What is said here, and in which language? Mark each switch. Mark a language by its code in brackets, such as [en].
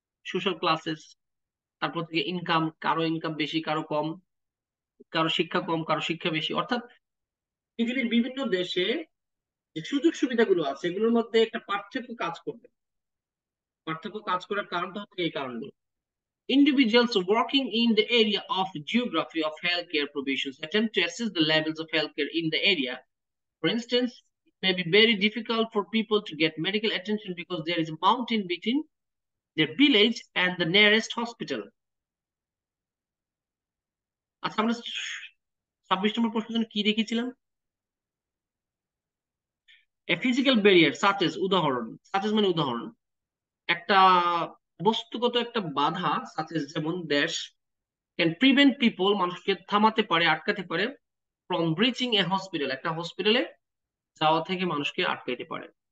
[bn] Social classes, তারপর থেকে income, কারো ইনকাম বেশি কারো কম, কারো শিক্ষা কম কারো শিক্ষা বেশি, অর্থাৎ পৃথিবীর বিভিন্ন দেশে যে সুযোগ সুবিধাগুলো আছে এগুলোর মধ্যে একটা পার্থক্য কাজ করবে। পার্থক্য কাজ করার কারণটা হচ্ছে এই কারণগুলো। [en] Individuals working in the area of geography of healthcare provisions attempt to assess the levels of healthcare in the area. For instance, it may be very difficult for people to get medical attention because there is a mountain between their village and the nearest hospital. [bn] আচ্ছা আমরা 26 নম্বর প্রশ্ন কি দেখেছিলাম? [en] a physical barrier such as, [bn] উদাহরণ, such as মানে উদাহরণ, একটা বস্তুগত একটা বাধা সাচেস, যেমন দেশ [en] can prevent people, [bn] মানুষকে থামাতে পারে, আটকাতে পারে [en] from breaching a hospital, [bn] একটা হসপিটালে যাওয়া থেকে মানুষকে আটকাইতে পারে।